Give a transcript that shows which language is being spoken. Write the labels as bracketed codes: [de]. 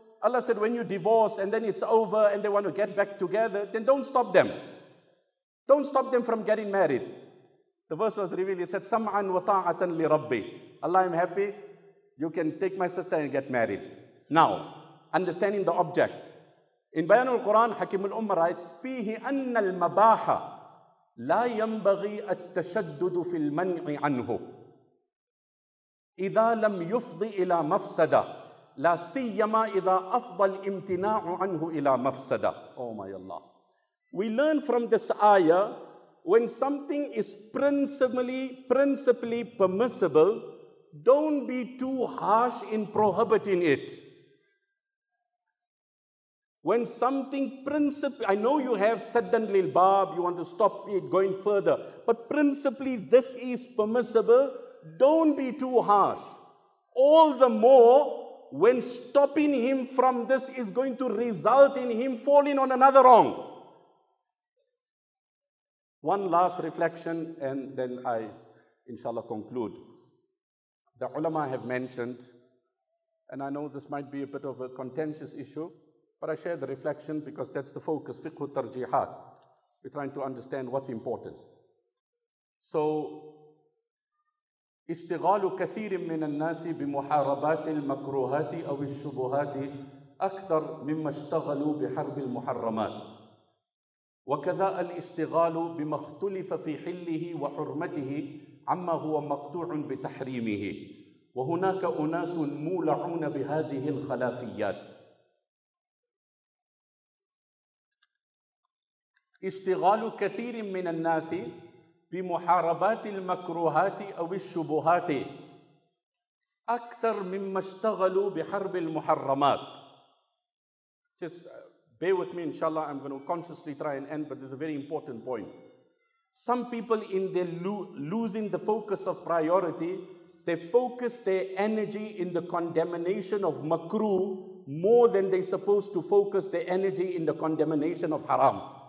[en] Allah said, when you divorce and then it's over and they want to get back together, then don't stop them. Don't stop them from getting married. The verse was revealed, it said, [ar] سَمْعًا وَطَاعَةً لِرَبِّي. [en] Allah, I'm happy. You can take my sister and get married. Now, understanding the object. In Bayan al-Quran, Hakim al-Umma writes, [ar] فِيهِ أَنَّ الْمَبَاحَ لَا يَنْبَغِي التَّشَدُّدُ فِي الْمَنْعِ عَنْهُ إِذَا لَمْ يُفْضِ إِلَى مَفْسَدَ لَا سِيَّمَا إِذَا أَفْضَ الْإِمْتِنَاعُ عَنْهُ إِلَى مَفْسَدَ. [en] Oh my Allah. We learn from this ayah, when something is principally permissible, don't be too harsh in prohibiting it. When something principally, I know you have saddan lil bab, you want to stop it going further, but principally this is permissible, don't be too harsh. All the more when stopping him from this is going to result in him falling on another wrong. One last reflection and then I, inshallah, conclude. The ulama have mentioned, and I know this might be a bit of a contentious issue, but I share the reflection because that's the focus, fiqh tarjihat. We're trying to understand what's important. [ar] So, اشتغال كثير من الناس بمحاربات المكروهات أو الشبهات أكثر مما اشتغلوا بحرب المحرمات وكذا الاشتغال بما اختلف في حله وحرمته عما هو مقطوع بتحريمه وهناك أناس مولعون بهذه الخلافيات اشتغال كثير من الناس بمحاربات المكروهات أو الشبهات أكثر مما اشتغلوا بحرب المحرمات. [en] Just bear with me, inshallah. I'm going to consciously try and end, but this is a very important point. Some people, in their losing the focus of priority, they focus their energy in the condemnation of makruh more than they supposed to focus their energy in the condemnation of haram.